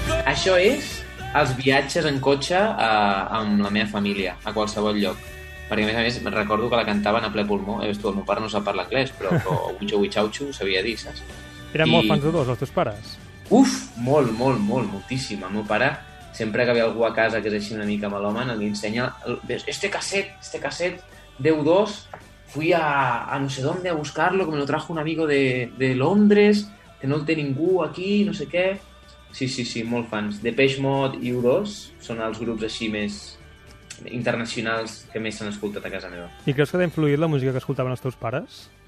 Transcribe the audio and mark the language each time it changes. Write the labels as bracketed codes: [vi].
[ca] Això és els viatges en cotxe amb la meva família, a qualsevol lloc. Perquè, a més, recordo que la cantaven a ple pulmó. El meu pare no sap parlar anglès, però Uitxo, Uitxautxo ho sabia dir, saps? Eren molt fans de dos, els teus pares? Uf, molt, molt, molt, moltíssim. El meu pare, sempre que ve algú a casa que és així una mica maloman, li ensenya... [es] Este casset, D2, fui a no sé dónde a buscarlo, que me lo trajo un amigo de Londres, [ca] que no el té ningú aquí, no sé què... Sí, molt fans. Depeche Mode i U2 són els grups així més... internacionals que més s'han escoltat a casa meva. I creus que t'ha influït la música que escoltaven els teus pares?